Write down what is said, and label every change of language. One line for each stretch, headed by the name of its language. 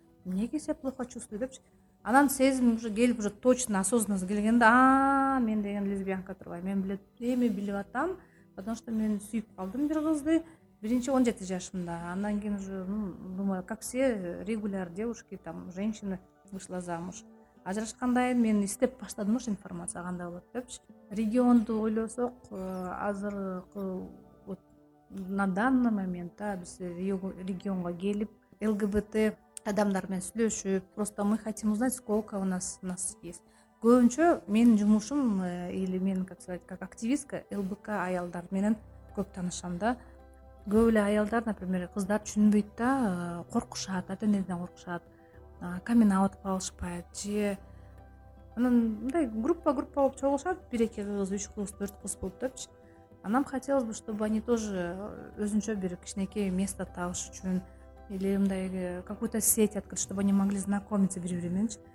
Kyrgyz: Эмнеге себеп
Russian: плохо чувствую
Kyrgyz: депчи. Анан сезим уже келип
Russian: уже точно осознанность
Kyrgyz: келгенде, мен деген лесбиянка турбайм. Мен эми билип атам,
Russian: потому что
Kyrgyz: мен сүйүп калдым бир кызды. Биринчи 17 жашымда, андан кийин
Russian: уже, думаю, как все регуляр девушки, там, женщины вышла замуж.
Kyrgyz: Ажырашкандан кийин мен иштеп баштадым ошо информация кандай болот депчи. Регионду ойлосок, азыркы
Russian: вот на данный момент
Kyrgyz: биз регионго келип, ЛГБТ адамдар менен сүйлөшүп,
Russian: просто мы хотим узнать, сколько у нас есть.
Kyrgyz: Көбүнчө менин жумушум
Russian: или мен как сказать,
Kyrgyz: как активистка ЛБК аялдар менен көп таанышам да. Көп эле аялдар, например, кыздар түшүнбөйт да, коркушат, ата-энеден коркушат, камин-аут кыла алышпайт. Же анан мындай группа болуп чогулушат, 1-2 кыз, 3 кыз, 4 кыз болуп депчи.
Russian: А нам хотелось бы, чтобы они тоже
Kyrgyz: өзүнчө бир кичинекей место табыш үчүн
Russian: или мындай какую-то сеть открыть, чтобы они могли знакомиться
Kyrgyz: бири бири менен.